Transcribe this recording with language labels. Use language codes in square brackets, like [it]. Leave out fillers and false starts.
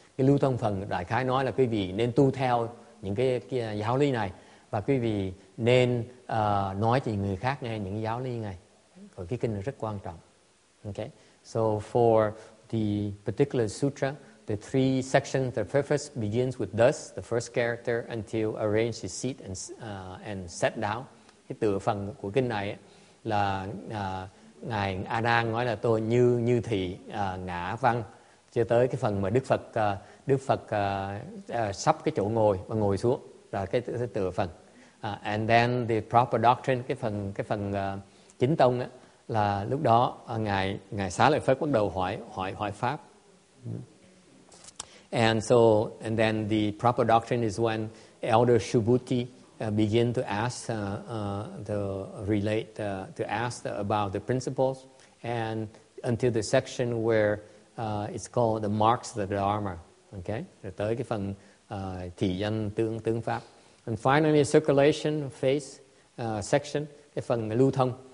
[vi] Cái lưu thông phần đại khái nói là quý vị nên tu theo những cái giáo lý này và quý vị nên nói cho người khác nghe những giáo lý này. Còn cái kinh này rất quan trọng. [en] Okay. So for the particular sutra, the three sections, the preface begins with thus, the first character, until arrange his seat and sat down. [vi] Cái tựa phần của kinh này ấy, là Ngài A-nan nói là tôi như thị ngã văn. Cho tới cái phần mà Đức Phật sắp cái chỗ ngồi và ngồi xuống là cái tựa phần. [en] And then the proper doctrine, [vi] cái phần chính tông ấy, là lúc đó Ngài Xá Lợi Phất bắt đầu hỏi Pháp. [en] And then the proper doctrine is when Elder Subhuti begin to ask about the principles, and until the section where it's called the marks of the Dharma. [vi] Okay, rồi tới cái phần thị danh tướng pháp. [en] And finally, circulation phase section, [vi] cái phần lưu thông.